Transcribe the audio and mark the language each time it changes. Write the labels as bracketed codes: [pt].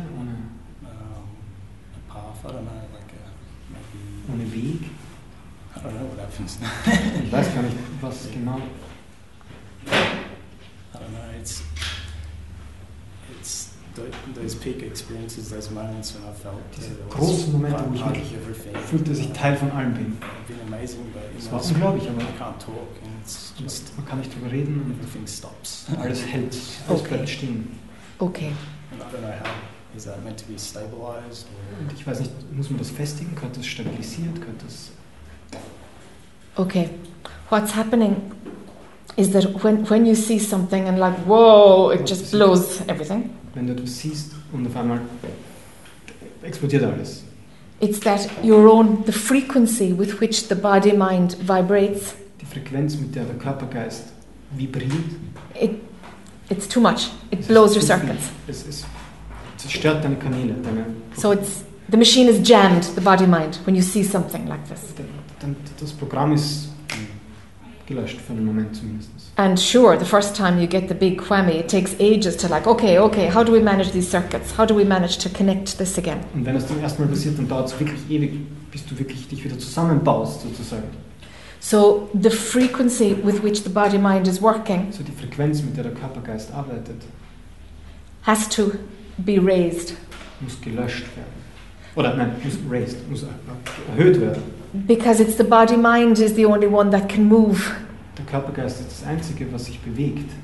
[en] a path, I don't know, like maybe [de] ohne Weg. [en] I don't know what happens now. [de] Ich weiß gar nicht, was genau. [en] I don't know, it's those peak experiences, those moments when I felt [de] großen Momente, wo ich wirklich fühlte, dass ich Teil von allem bin. Es war unglaublich, aber [en] can't talk and it's just [de] man kann nicht drüber reden und [en] everything stops. [de] Alles hält, alles bleibt stehen. [en] Okay. And I don't know how is that meant to be stabilized or [de] und ich weiß nicht, muss man das festigen? Könnte es stabilisiert? Könnte es? [en] Okay. What's happening is that when you see something and like whoa, it just blows everything. [de] Wenn du etwas siehst und auf einmal explodiert alles. [en] It's that your own, the frequency with which the body-mind vibrates. [de] Die Frequenz, mit der der Körpergeist vibriert. [en] It's too much. It blows your circuits. [de] Es zerstört deine Kanäle. [en] So it's, the machine is jammed, the body-mind, when you see something like this. [de] Das Programm ist gelöscht für den Moment zumindest. [en] And sure, the first time you get the big whammy, it takes ages to like, okay, how do we manage these circuits? How do we manage to connect this again? [de] Und wenn es zum ersten Mal passiert, dann dauert es wirklich ewig, bis du wirklich dich wieder zusammenbaust, sozusagen. [en] So the frequency with which the body-mind is working, [de] so die Frequenz, mit der Körpergeist arbeitet, [en] has to be raised. [de] Muss gelöscht werden. Oder nein, muss raised, muss erhöht werden. [en] Because it's the body-mind is the only one that can move. [de] Der Körpergeist ist das Einzige, was sich bewegt.